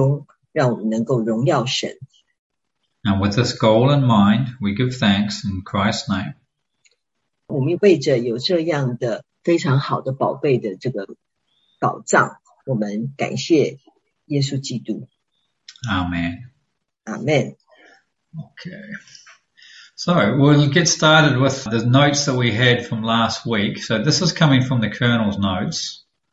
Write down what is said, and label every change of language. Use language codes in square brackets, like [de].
[zh] 让我们能够谦卑的，能够把这些您的话语，能够施行在我们的生活中，让我们能够荣耀神。 [en] And with this goal in mind, we give thanks in Christ's name. [zh] 我们为着有这样的非常好的宝贝的这个宝藏，我们感谢耶稣基督。 [en] Amen. Amen. Okay. So we'll get started with the notes that we had from last week. So this is coming from the Colonel's notes.